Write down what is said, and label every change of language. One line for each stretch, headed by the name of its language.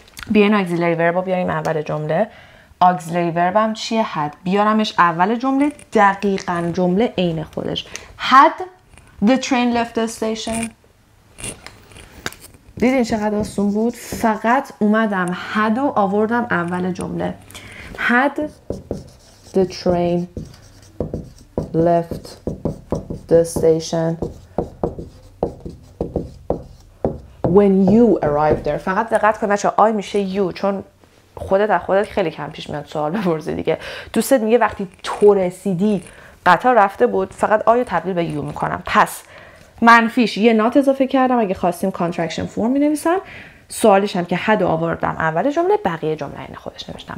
Persian: بیاین auxiliary verb رو بیاریم اول جمله. auxiliary verb هم چیه؟ had. بیارمش اول جمله، دقیقا جمله این خودش.
English: had the train left the station.
Persian: دیدین چقدر آسون بود؟ فقط اومدم had و آوردم اول جمله.
English: had the train left the station when you arrived there.
Persian: فقط دقت کن بچه، آی میشه you، چون خودت از خودت خیلی کم پیش میاد سوال بپرسی دیگه. دوستت میگه وقتی تو رسیدی قطار رفته بود، فقط آی رو تبدیل به یو میکنم. پس منفیش یه نات اضافه کردم، اگه خواستیم کانترکشن فرم مینویسم. سوالش هم که حد آوردم اول جمله، بقیه جمله این خودش نوشتم.